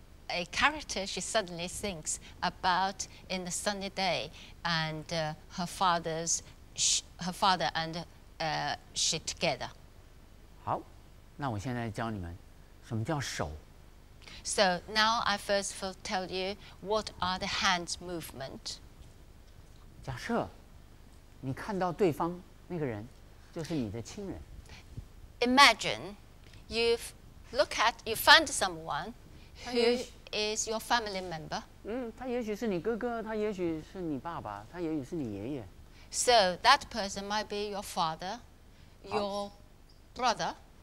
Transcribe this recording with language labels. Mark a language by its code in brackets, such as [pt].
[en] A character, she suddenly thinks about in the sunny day, and her father and she together. [zh] 好，那我现在教你们什么叫手。 [en] So now I first will tell you what are the hands movement. [zh] 假设你看到对方那个人就是你的亲人。 [en] Imagine you look at you find someone who. Is your family member? [zh] 他也许是你哥哥，他也许是你爸爸，他也许是你爷爷。 [en] So that person might be your father, your brother.